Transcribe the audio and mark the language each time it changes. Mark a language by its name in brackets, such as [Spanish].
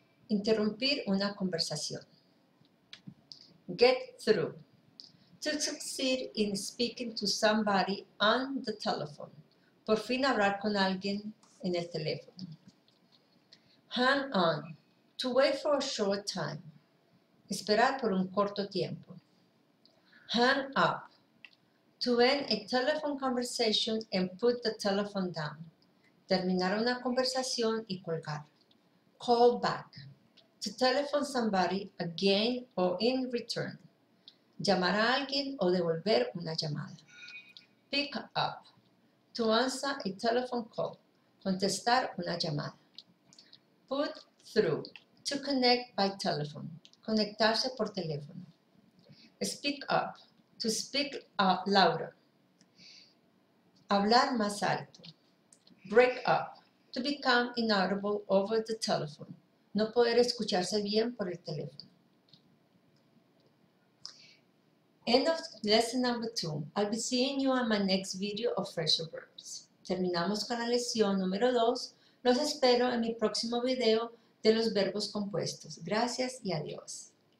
[Spanish] Interrumpir una conversación. [English] Get through. To succeed in speaking to somebody on the telephone. [Spanish] Por fin hablar con alguien en el teléfono. [English] Hang on. To wait for a short time. [Spanish] Esperar por un corto tiempo. [English] Hang up. To end a telephone conversation and put the telephone down. [Spanish] Terminar una conversación y colgar. [English] Call back. To telephone somebody again or in return. [Spanish] Llamar a alguien o devolver una llamada. [English] Pick up. To answer a telephone call. [Spanish] Contestar una llamada. [English] Put through. To connect by telephone. [Spanish] Conectarse por teléfono. [English] Speak up. To speak louder. [Spanish] Hablar más alto. [English] Break up. To become inaudible over the telephone. [Spanish] No poder escucharse bien por el teléfono. [English] End of lesson number two. I'll be seeing you on my next video of fresher verbs. [Spanish] Terminamos con la lección número dos. Los espero en mi próximo video de los verbos compuestos. Gracias y adiós.